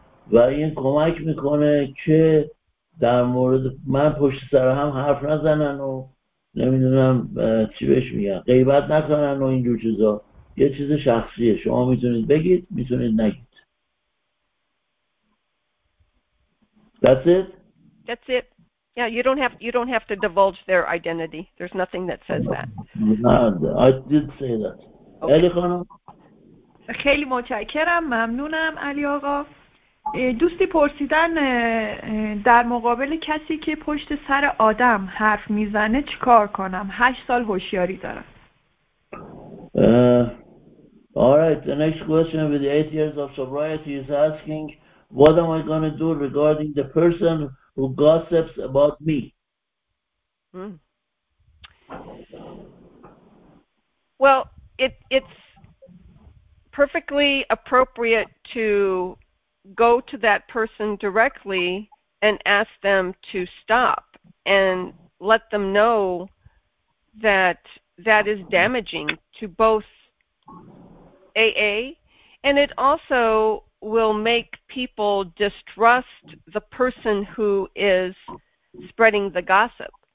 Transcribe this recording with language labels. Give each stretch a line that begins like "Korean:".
Persian: و این کمک میکنه که در مورد من پشت سر هم حرف نزنن و نمیدونم چی بهش میگن، غیبت نکنن و اینجور چیزا. یه چیز شخصیه، شما میتونید بگید میتونید نگید.
English: That's it. That's it. Yeah, you don't have to divulge their identity. There's nothing that says that. No, I did say that. Okay. علی خانم
Persian: خیلی متشکرم، ممنونم. علی آقا دوستی پرسیدن در مقابل کسی که پشت سر آدم حرف میزنه چی کار کنم؟ 8 سال هوشیاری دارم.
English: Alright, the next question with 8 years of sobriety is asking, what am I going to do regarding the person who gossips about me? Well, it's perfectly appropriate to go to that person directly and ask them to stop and let them know that is damaging to both AA, and it also will make people distrust the person who is spreading the gossip.